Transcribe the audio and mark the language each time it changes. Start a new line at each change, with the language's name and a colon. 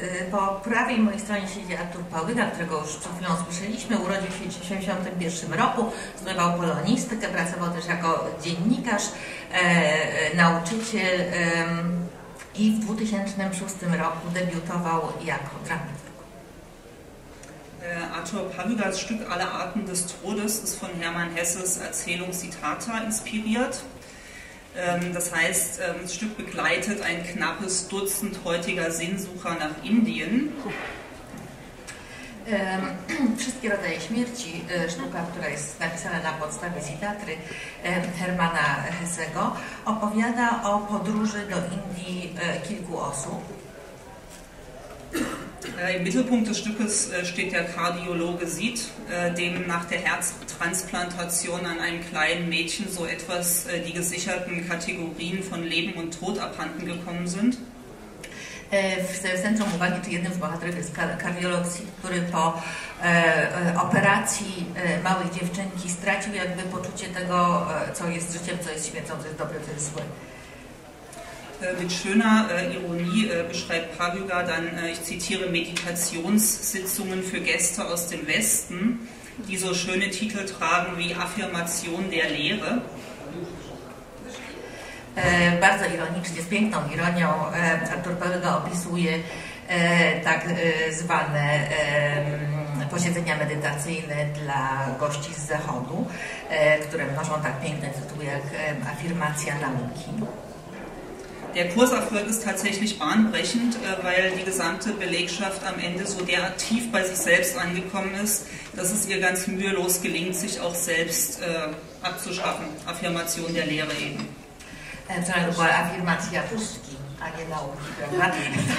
Polish: Po prawej mojej stronie siedzi Artur Pałyga, którego już przed chwilą słyszeliśmy. Urodził się w 1971 roku, studiował polonistykę, pracował też jako dziennikarz, nauczyciel i w 2006 roku debiutował jako dramaturg.
German: Artur Pałygas Stück Alle Arten des Todes ist von Hermann Hesses Erzählung Zitata inspiriert. Das heißt, das Stück begleitet ein knappes Dutzend heutiger Sinnsucher nach Indien.
Polish: Wszystkie rodzaje śmierci, sztuka, która jest napisana na podstawie Zitatry Hermana Hessego, opowiada o podróży do Indii kilku osób.
German: Im Mittelpunkt des Stückes steht der Kardiologe Sid, dem nach der Herztransplantation an einem kleinen Mädchen so etwas die gesicherten Kategorien von Leben und Tod abhanden gekommen sind.
Polish: W centrum uwagi, czy jednym z bohaterów jest kardiolog, który po operacji małej dziewczynki stracił jakby poczucie tego, co jest życiem, co jest śmiercią, co jest dobre, co jest złe.
German: Mit schöner Ironie beschreibt Pavlovich dann, ich zitiere, Meditationssitzungen für Gäste aus dem Westen, die so schöne Titel tragen wie Affirmation der Lehre.
Polish: Bardzo ironicznie, z piękną ironią Artur Pavlovich opisuje tak zwane posiedzenia medytacyjne dla gości z Zachodu, które noszą tak piękne tytuły jak Afirmacja nauki.
German: Der Kurserfolg ist tatsächlich bahnbrechend, weil die gesamte Belegschaft am Ende so derart tief bei sich selbst angekommen ist, dass es ihr ganz mühelos gelingt, sich auch selbst abzuschaffen. Affirmation der Lehre eben.
Polish: Affirmacja pustki, a nie nauki.